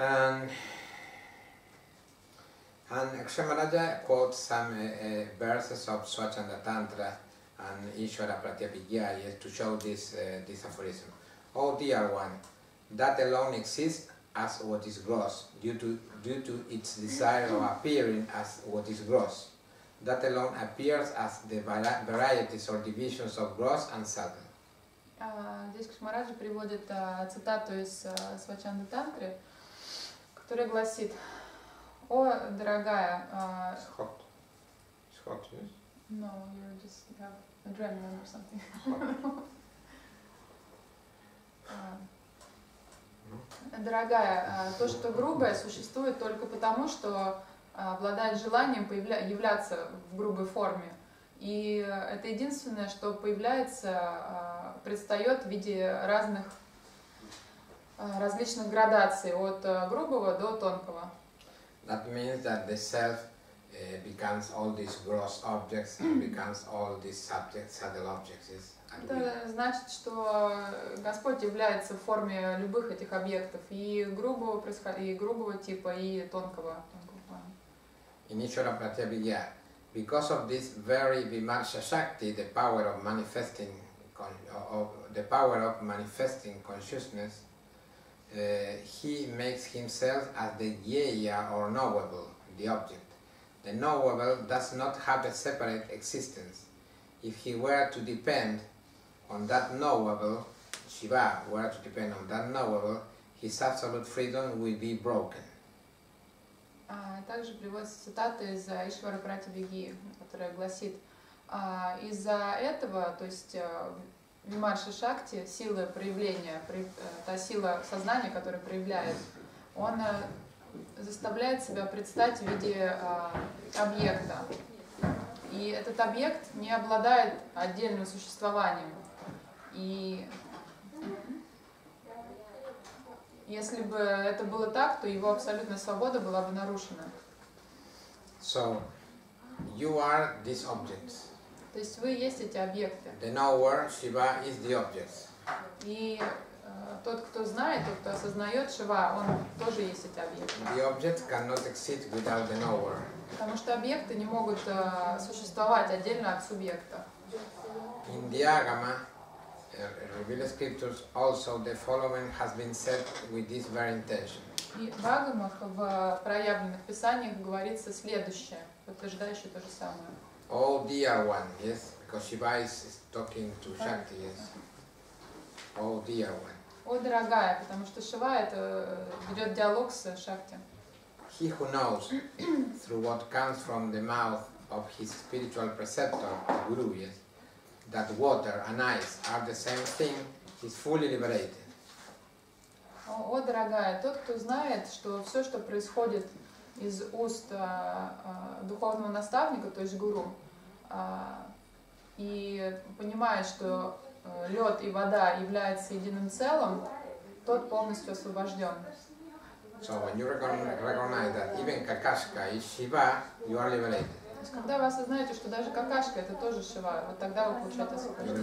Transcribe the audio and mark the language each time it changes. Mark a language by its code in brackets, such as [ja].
[en] And Kshemaraja quotes some verses of Swachanda Tantra and Ishvara Pratyabhigya to show this this aphorism. Oh dear one, that alone exists as what is gross, due to its desire of appearing as what is gross. That alone appears as the varieties or divisions of gross and subtle. [ru] Здесь Кшемараджа приводит цитату из Свачанда Тантры, которая гласит: о, дорогая, [en] It's hot, yes? No, you're just, you have adrenaline or something. [ru] Дорогая, то, что грубое, существует только потому, что обладает желанием являться в грубой форме. И это единственное, что появляется, предстает в виде разных, различных градаций, от грубого до тонкого. [en] That means that the self becomes all these gross objects and becomes all these subjects, subtle objects. Yes? [ru] Это значит, что Господь является в форме любых этих объектов, и грубого типа, и тонкого плана. [en] In Ishvara Pratyabhigya, because of this very Vimarsha Shakti, the power of manifesting consciousness, he makes himself as the jeya or knowable, the object. The knowable does not have a separate existence. If he were to depend on that knowable, Shiva were to depend on that knowable, his absolute freedom would be broken. [ru] Также приводится цитата из Ишвара Пратибхиги, которая гласит: из-за этого, то есть Вимарша Шакти, сила проявления, та сила сознания, которая проявляет, он заставляет себя предстать в виде объекта. И этот объект не обладает отдельным существованием. И если бы это было так, то его абсолютная свобода была бы нарушена. [en] So, you are this object. [ru] То есть вы есть эти объекты. [en] The knower, Shiva, is the object. [ru] И тот, кто знает, тот, кто осознает Шива, он тоже есть эти объекты. [en] The object cannot exist without the knower. [ru] Потому что объекты не могут существовать отдельно от субъекта. [en] In the Agama, revealed scriptures, also the following has been said with this very intention. [ru] И в Агамах, в проявленных писаниях, говорится следующее, подтверждающее то же самое. [en] Oh dear one, yes, because Shiva is talking to Shakti, yes. Oh dear one. [ru] О дорогая, потому что Шива это ведет диалог с Шакти. [en] He who knows through what comes from the mouth of his spiritual preceptor, the Guru, yes, that water and ice are the same thing, is fully liberated. [ru] О дорогая, тот, кто знает, что все, что происходит из уст духовного наставника, то есть гуру, и понимает, что лед и вода являются единым целым, тот полностью освобожден. [en] So when you recognize that even Kakashka is Shiva, you are liberated. [ru] То есть когда вы осознаете, что даже Какашка это тоже Шива, вот тогда вы получаете освобождение.